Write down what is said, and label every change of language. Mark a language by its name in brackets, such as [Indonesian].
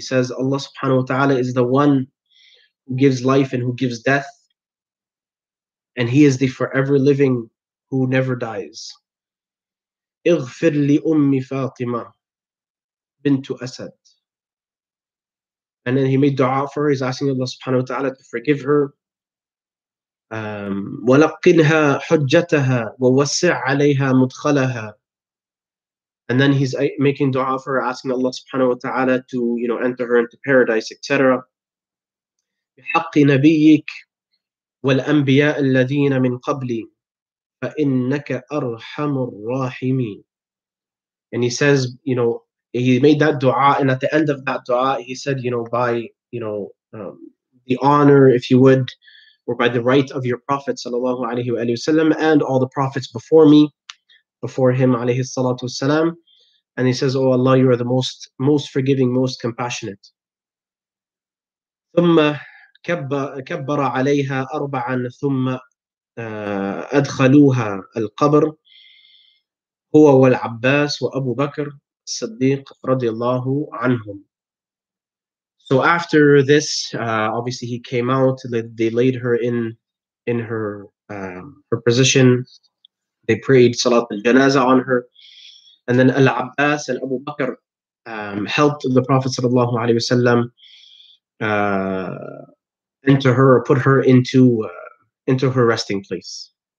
[English] He says, Allah subhanahu wa ta'ala is the one who gives life and who gives death, and he is the forever living who never dies. [Arabic] اغفر لي أمي فاطمة بنت أسد. [English] And then he made dua for her. He's asking Allah subhanahu wa ta'ala to forgive her. [Arabic] ولقنها حجتها ووسع عليها مدخلها. [English] And then he's making dua for her, asking Allah subhanahu wa ta'ala to, you know, enter her into paradise, etc. [Arabic] بحق نبيك والأنبياء الذين من قبلي فإنك أرحم الراحمين. [English] And he says, you know, he made that dua, and at the end of that dua, he said, you know, by, you know, the honor, if you would, or by the right of your Prophet sallallahu alaihi wa sallam and all the prophets before me, before him alayhi salatu wasalam. And he says, oh Allah, you are the most forgiving, most compassionate. [Arabic] ثم كبر عليها أربعا ثم أدخلوها القبر هو والعباس وأبو بكر الصديق رضي الله عنهم. [English] So after this, obviously he came out. They laid her in her position. They prayed Salat al-Janaza on her, and then Al-Abbas and Abu Bakr helped the Prophet sallallahu alaihi wasallam into her, put her into her resting place.